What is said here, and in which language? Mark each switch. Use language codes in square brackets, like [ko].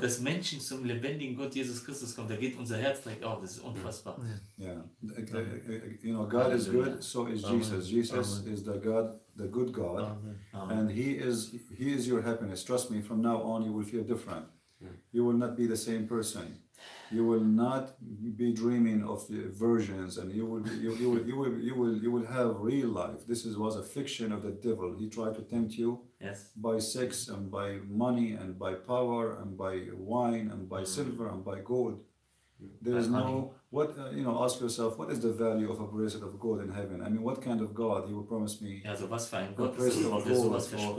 [de] dass Menschen zum lebendigen Gott Jesus Christus kommen, da geht unser Herz direkt auf, das ist unfassbar. [en] Yeah. Yeah. You know, God is good, so is Amen. Jesus. Jesus Amen. Is the God, the good God. Amen. And he is your happiness. Trust me, from now on you will feel different. Yeah. You will not be the same person. You will not be dreaming of the versions, and you will have real life. This is, was a fiction of the devil. He tried to tempt you, yes, by sex and by money and by power and by wine and by silver and by gold. There is no what you know. Ask yourself, what is the value of a bracelet of gold in heaven? I mean, what kind of God he will promise me? Yeah, [de] so was für ein Gott, [en] a bracelet of gold